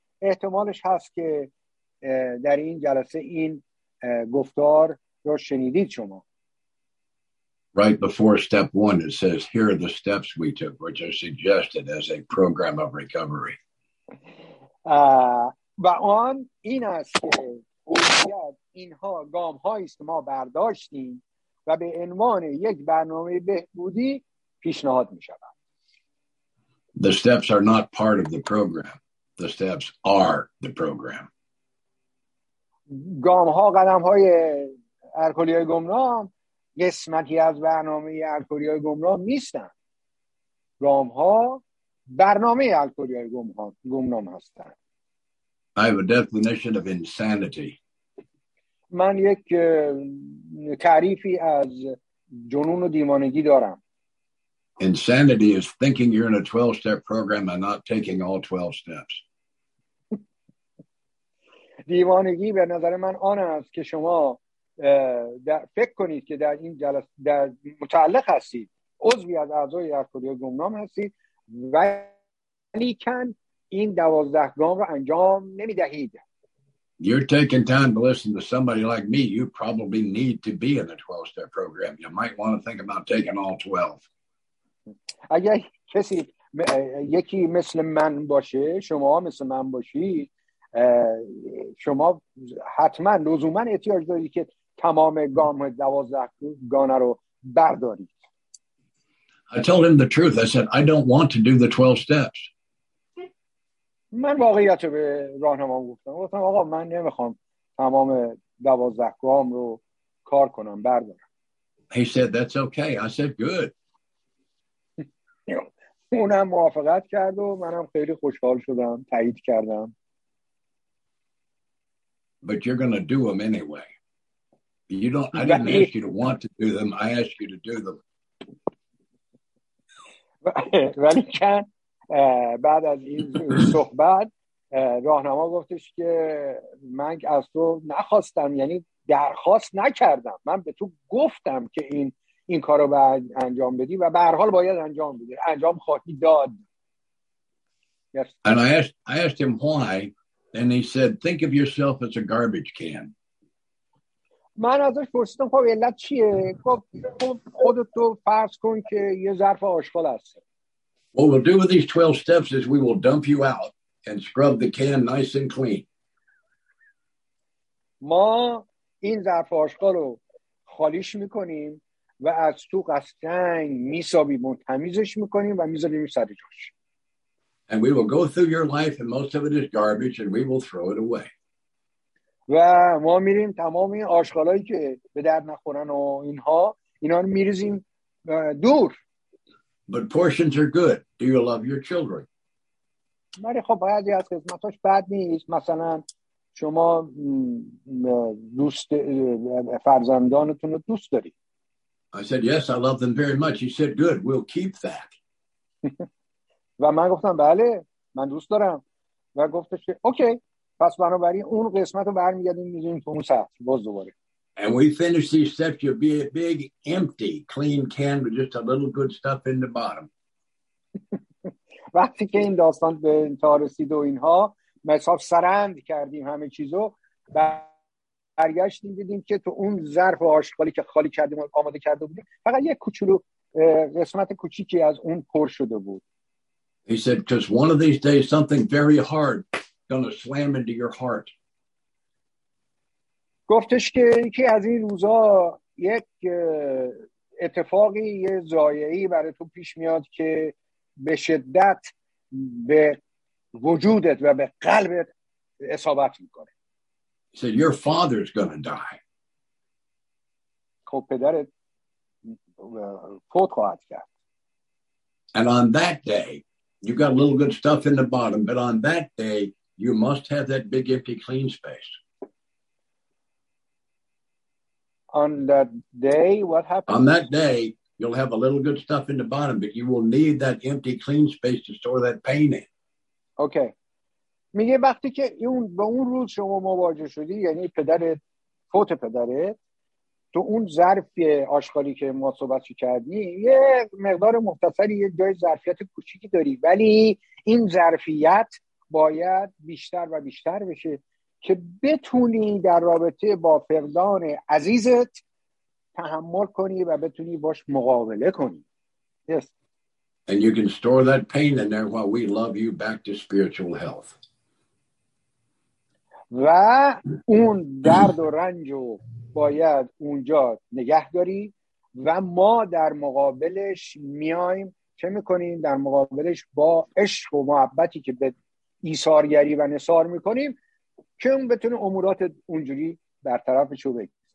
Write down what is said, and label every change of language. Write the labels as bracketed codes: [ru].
[fa] احتمالش هست که در این جلسه این گفتار رو شنیدید شما. [en] Right before step one, it says, here are the steps we took, which are suggested as a program of recovery. [fa] و آن این است که اینها گام هایی است که ما برداشتیم و به عنوان یک برنامه بهبودی پیشنهاد می شود. [en] The steps are not part of the program. The steps are the program. [fa] گام ها قدم های الکلی های گمنام قسمتی از برنامه الکلی های گمنام نیستن. گام ها برنامه الکلی های گمنام هستن. [en] I have a definition of insanity. [fa] من یک تعریفی از جنون و دیوانگی دارم. [en] Insanity is thinking you're in a 12-step program and not taking all 12 steps. [fa] دیوانگی به نظر من آن است که شما فکر کنید که در این جلسه در متعلق هستید، عضوی از اعضای الکلی های گمنام هستید ولی کن این 12 گام رو انجام نمی دهید. [en] You're taking time to listen to somebody like me. You probably need to be in the 12-step program. You might want to think about taking all 12. [fa] اگر کسی یکی مثل من باشه، شما مثل من باشید، شما حتما لزوما احتیاج دارید که تمام گام 12 گانه رو بردارید. [en] I told him the truth. I said, I don't want to do the 12 steps. [fa] من واقعیت رو به راهنمام گفتم. گفتم آقا من نمیخوام تمام 12 گام رو کار کنم، بردارم. [en] He said, that's okay. I said, good. [fa] اونم موافقت کرد و منم خیلی خوشحال شدم، تایید کردم. [en] But you're going to do them anyway. I didn't ask you to want to do them. I asked you to do them. [fa] ولی کن بعد از این صحبت راهنما گفتش که من از تو نخواستم، یعنی درخواست نکردم، من به تو گفتم که این کارو باید انجام بدی و به هر حال باید انجام بدی، انجام خواهی داد. [en] And I asked him why, and he said, think of yourself as a garbage can. [fa] من ازش پرسیدم خب علت چیه؟ خب خودت رو فرض کن که یه ظرف آشغال هست. [en] What we'll do with these 12 steps is we will dump you out and scrub the can nice and clean. [fa] ما این ظرف آشغال رو خالیش میکنیم و از تو قشنگ میسابیم و تمیزش میکنیم و میذاریم سر جاش. [en] And we will go through your life and most of it is garbage and we will throw it away. [fa] و ما میریم تمام این آشغالایی که به درد نخورن و اینها اینا رو میریزیم دور. [en] But portions are good. Do you love your children? [fa] ولی خب بعضی از قسمتاش بد نیست. مثلا شما دوست فرزندانتون رو دوست دارید. [en] I said yes, I love them very much. He said good, we'll keep that. [fa] و من گفتم بله من دوست دارم و گفتش که اوکی پس بنابراین اون قسمت رو برمیگردیم میذاریم تو اون سطح باز دوباره. [en] And we finish these steps, you'll be a big empty clean can with just a little good stuff in the bottom. [fa] وقتی که این داستان به انتها رسید و اینها ما حساب سرند کردیم همه چیزو و برگشتیم دیدیم که تو اون ظرف آشغالی که خالی کردیم و آماده کرده بودیم فقط یک کوچولو قسمت کوچیکی از اون پر شده بود. [en] He said, because one of these days, something very hard is going to slam into your heart. [fa] گفتش که یکی از این روزا یک اتفاقی یه ضایعی برای تو پیش میاد که به شدت به وجودت و به قلبت اصابت میکنه. [en] He said, your father is going to die. [fa] خب پدرت فوت خواهد کرد. [en] And on that day, you got a little good stuff in the bottom, but on that day, you must have that big empty clean space. On that day, what happened? On that day, you'll have a little good stuff in the bottom, but you will need that empty clean space to store that pain in. Okay. [fa] میگه وقتی که اون به اون روز شما مواجه شدی یعنی پدرت فوت پدرت تو اون ظرف آشغالی که ما صحبت کردی یه مقدار مختصری یه جای ظرفیت کوچیکی داری ولی این ظرفیت باید بیشتر و بیشتر بشه که بتونی در رابطه با فقدان عزیزت تحمل کنی و بتونی باش مقابله کنی. [en] Yes. And you can store that pain in there while we love you back to spiritual health. [fa] و اون درد و رنج رو باید اونجا نگه داری و ما در مقابلش میایم چه میکنیم در مقابلش با عشق و محبتی که به ایثارگری و نثار میکنیم که اون بتونه امورات اونجوری برطرفش رو بگیره.